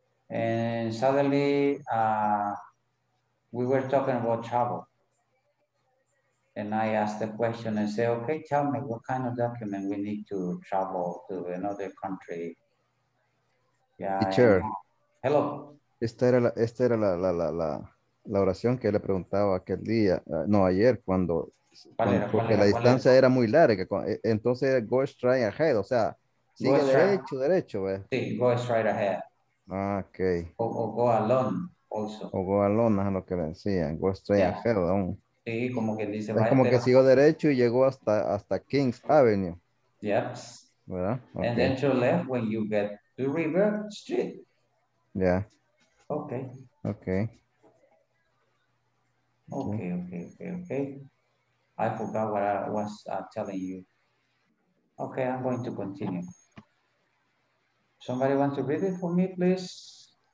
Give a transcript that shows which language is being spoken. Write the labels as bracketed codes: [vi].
[en] And suddenly we were talking about travel. And I asked the question and said, okay, tell me what kind of document we need to travel to another country. Yeah. Teacher. Hello. [es] Esta era la oración que le preguntaba aquel día, no ayer, cuando. Porque la distancia era muy larga, entonces [en] go straight ahead, [es] o sea, sigue derecho. [en] Sí, go straight ahead. Ah, okay. O go alone, also. [es] O [en] go alone, [es] es lo que decían, [en] go straight ahead. [es] Sí, como que dice. Es como que sigo derecho y llegó hasta Kings Avenue. [en] Yep. [es] ¿Verdad? [en] Okay. And then to left when you get to River Street. Yeah. Okay. Okay. Okay, okay, okay, okay. I forgot what I was telling you. Okay, I'm going to continue. Somebody want to read it for me, please?